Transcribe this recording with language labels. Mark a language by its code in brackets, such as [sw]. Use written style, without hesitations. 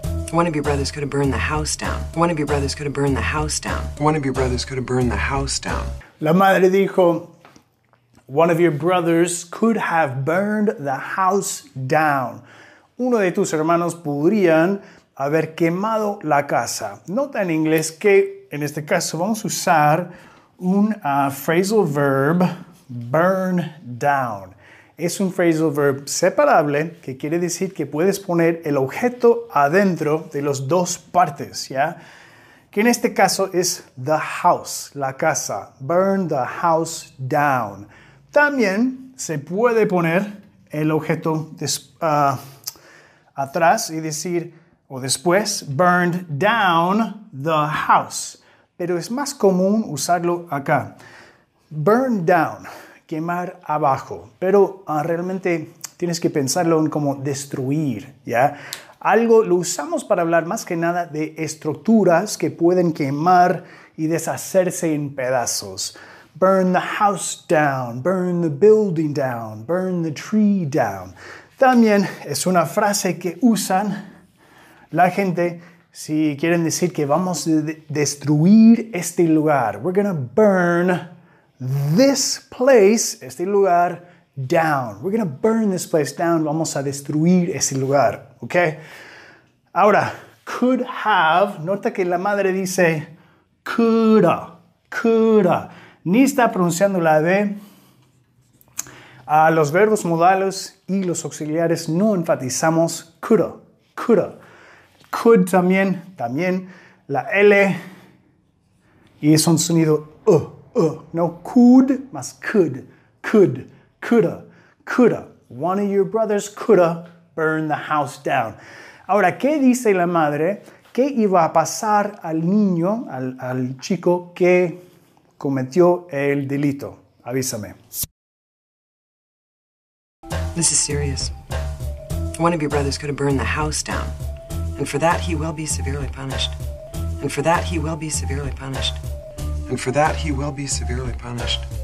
[en] One of your brothers could have burned the house down. One of your brothers could have burned the house down. One of your brothers could have burned the house down. [es] La madre dijo, [en] one of your brothers could have burned the house down. [es] Uno de tus hermanos podrían haber quemado la casa. Nota en inglés que en este caso vamos a usar un phrasal verb, burn down. Es un phrasal verb separable que quiere decir que puedes poner el objeto adentro de las dos partes, ¿ya? Que en este caso es the house, la casa. [en] Burn the house down. [es] También se puede poner el objeto atrás y decir, o después, [en] burned down the house. [es] Pero es más común usarlo acá. Burn down, quemar abajo. Pero realmente tienes que pensarlo en como destruir, ¿ya? Algo lo usamos para hablar más que nada de estructuras que pueden quemar y deshacerse en pedazos. [en] Burn the house down, burn the building down, burn the tree down. [es] También es una frase que usan la gente si quieren decir que vamos a destruir este lugar. [en] We're gonna burn this place, [es] este lugar, [en] down. We're gonna burn this place down. [es] Vamos a destruir ese lugar, [en] ¿ok? [es] Ahora, could have, nota que la madre dice coulda, coulda. Ni está pronunciando la D. Los verbos modales y los auxiliares no enfatizamos coulda, coulda. Could también, también la L y es un sonido no could más could, could, coulda, coulda. [en] One of your brothers coulda burned the house down. [es] Ahora, ¿qué dice la madre? ¿Qué iba a pasar al niño, al chico que cometió el delito? Avísame. [en] This is serious. One of your brothers could have burned the house down. And for that, he will be severely punished. And for that, he will be severely punished. And for that, he will be severely punished.